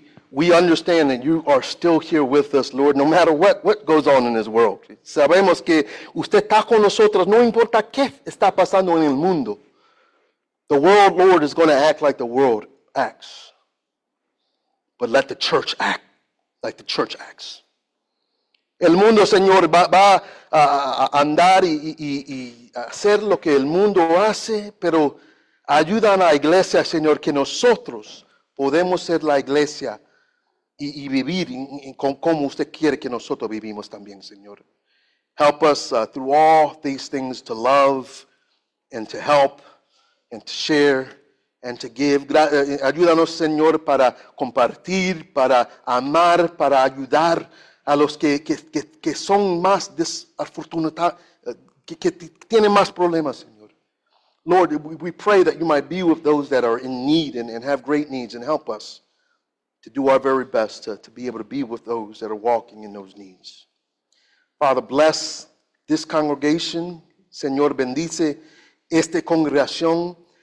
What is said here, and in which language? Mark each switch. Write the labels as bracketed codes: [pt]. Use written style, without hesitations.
[en] We understand that you are still here with us, Lord, no matter what goes on in this world. [es] Sabemos que usted está con nosotros, no importa qué está pasando en el mundo. [en] The world, Lord, is going to act like the world acts. But let the church act like the church acts. [es] El mundo, Señor, va a andar y hacer lo que el mundo hace, pero ayuda a la iglesia, Señor, que nosotros podemos ser la iglesia y vivir con como usted quiere que nosotros vivimos también, Señor. [en] Help us through all these things to love and to help and to share and to give. [es] Ayúdanos, Señor, para compartir, para amar, para ayudar a los que son más desafortunados, que tienen más problemas, Señor. [en] Lord, we pray that you might be with those that are in need and have great needs and help us to do our very best to be able to be with those that are walking in those needs. Father, bless this congregation. [es] Señor, bendice esta congregación.